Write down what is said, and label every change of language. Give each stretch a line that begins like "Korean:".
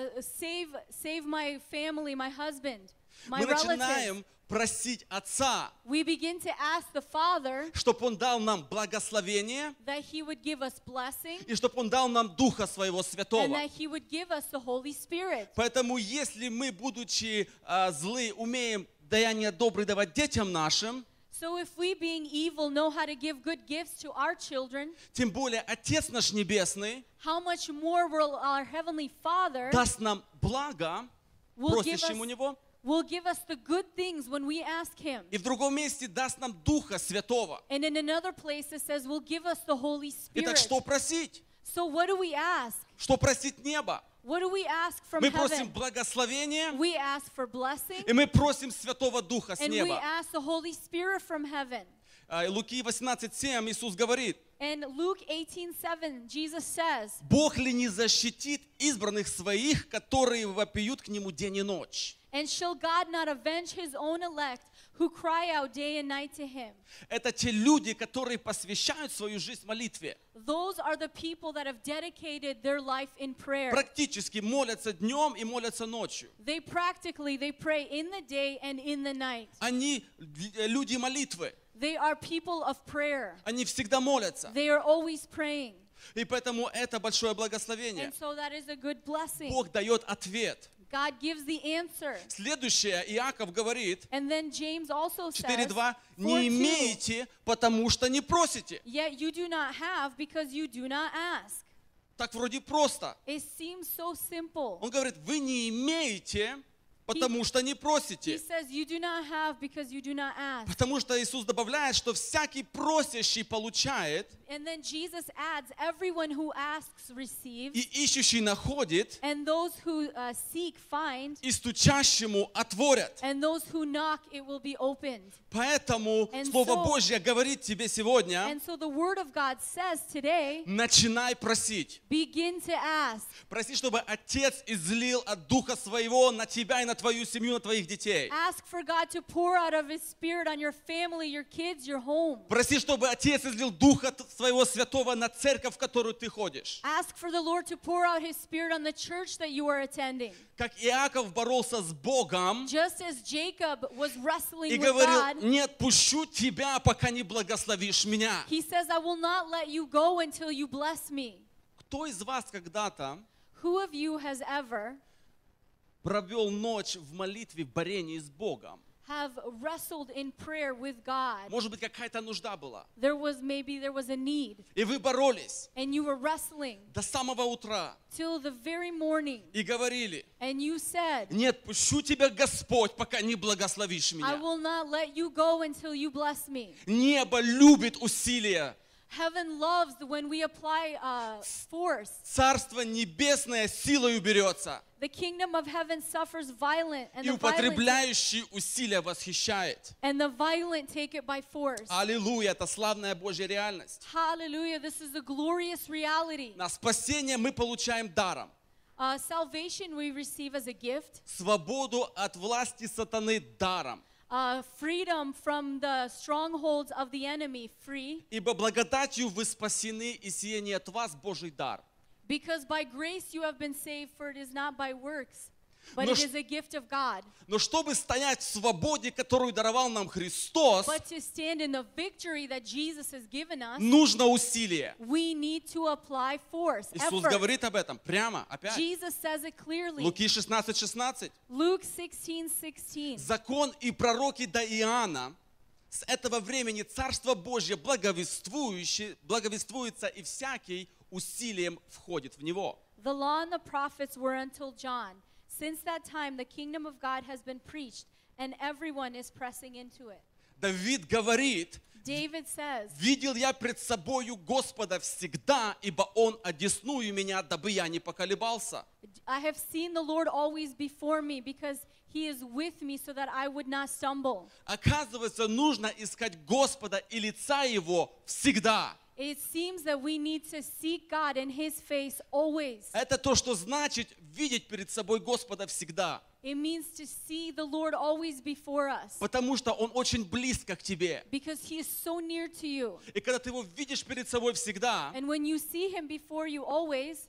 English: Save my family, my husband, my relatives.
Russian: Просить Отца,
English: we begin to ask the Father,
Russian: чтобы Он дал нам благословение,
English: that he would give us blessing,
Russian: и чтобы Он дал нам Духа Своего Святого.
English: And that he would give us the Holy Spirit.
Russian: Поэтому, если мы, будучи злы, умеем даяние доброе давать детям нашим,
English: so if we, being evil, know how to give good gifts to our children,
Russian: тем более Отец наш Небесный,
English: how much more will our Heavenly Father
Russian: даст нам благо, просящим у Него,
English: will give us the good things when we ask him.
Russian: И в другом месте даст нам Духа Святого.
English: And in another place it says will give us the Holy Spirit.
Russian: Итак, что просить?
English: So what do we ask?
Russian: Что просить небо?
English: What do we ask from heaven?
Russian: Мы просим благословение.
English: We ask for blessing.
Russian: И мы просим Святого Духа с неба.
English: And we ask the Holy Spirit from heaven.
Russian: Луки 18:7 Иисус говорит.
English: And Luke 18:7 Jesus says.
Russian: Бог ли не защитит избранных своих, которые вопиют к нему день и ночь?
English: And shall God not avenge his own elect who cry out day and night to him?
Russian: Это те люди, которые посвящают свою жизнь молитве.
English: Those are the people that have dedicated their life in prayer.
Russian: Практически молятся днем и молятся ночью.
English: They pray in the day and in the night.
Russian: Они люди молитвы.
English: They are people of prayer.
Russian: Они всегда молятся.
English: They are always praying.
Russian: И поэтому это большое благословение.
English: And so that is a good blessing.
Russian: Бог дает ответ.
English: God gives the answer.
Russian: Следующее, Иаков говорит,
English: and then James also says,
Russian: 4:2, не имеете, потому что не просите.
English: Yet you do not have because you do not ask.
Russian: Так вроде просто.
English: It seems so simple.
Russian: Он говорит, вы не имеете, потому что не просите.
English: He says, you do not have because you do not ask.
Russian: Потому что Иисус добавляет, что всякий просящий получает.
English: And then Jesus adds, everyone who asks receives.
Russian: И ищущий находит.
English: And those who seek find.
Russian: И стучащему отворят.
English: And those who knock, it will be opened.
Russian: Поэтому Слово Божье говорит тебе сегодня.
English: And so the word of God says today.
Russian: Начинай просить.
English: Begin to ask.
Russian: Проси, чтобы Отец излил от Духа Своего на тебя и на твою семью, на твоих детей.
English: Ask for God to pour out of His Spirit on your family, your kids, your home.
Russian: Проси, чтобы Отец излил Духа Своего Святого на церковь, в которую ты ходишь.
English: Ask for the Lord to pour out His Spirit on the church that you are attending.
Russian: Как Иаков боролся с Богом.
English: Just as Jacob was wrestling with God.
Russian: И говорил: не отпущу тебя, пока не благословишь меня.
English: He says, I will not let you go until you bless me.
Russian: Кто из вас когда-то?
English: Who of you has ever?
Russian: Провел ночь в молитве, в борении с Богом.
English: Have wrestled in prayer with God.
Russian: Может быть, какая-то нужда была.
English: There was maybe there was a need.
Russian: И вы боролись.
English: And you were wrestling.
Russian: До самого утра.
English: Till the very morning.
Russian: И говорили.
English: And you said.
Russian: Не отпущу тебя, Господь, пока не благословишь меня.
English: I will not let you go until you bless me.
Russian: Небо любит усилия.
English: Heaven loves when we apply force.
Russian: Царство небесное силою берется.
English: The kingdom of heaven suffers violence, and
Russian: the употребляющие усилия восхищает.
English: And the violent take it by force.
Russian: Аллилуйя, это славная Божья реальность.
English: Hallelujah, this is a glorious reality.
Russian: На спасение мы получаем даром.
English: Salvation we receive as a gift.
Russian: Свободу от власти сатаны даром.
English: Freedom from the strongholds of the enemy free.
Russian: Ибо благодатью вы спасены, и сие не от вас Божий дар.
English: Because by grace you have been saved, for it is not by works, but it is a gift of God.
Russian: Но чтобы стоять в свободе, которую даровал нам Христос,
English: but to stand in the victory that Jesus has given us,
Russian: нужно усилие.
English: We need to apply force, effort.
Russian: Иисус говорит об этом прямо, опять.
English: Jesus says it clearly.
Russian: Луки 16:16.
English: Luke 16:16.
Russian: Закон и пророки до Иоанна с этого времени Царство Божье благовествуется и всякий усилием входит в него.
English: The law and the prophets were until John. Since that time, the kingdom of God has been preached, and everyone is pressing into it.
Russian: Давид говорит,
English: David says,
Russian: видел я пред собою Господа всегда, ибо Он одесную меня, дабы я не поколебался.
English: I have seen the Lord always before me, because He is with me so that I would not stumble.
Russian: Оказывается, нужно искать Господа и лица Его всегда.
English: It seems that we need to seek God in His face always.
Russian: Это то, что значит видеть перед собой Господа всегда.
English: It means to see the Lord always before us.
Russian: Потому что Он очень близко к тебе.
English: Because He is so near to you.
Russian: И когда ты Его видишь перед собой всегда,
English: and when you see Him before you always,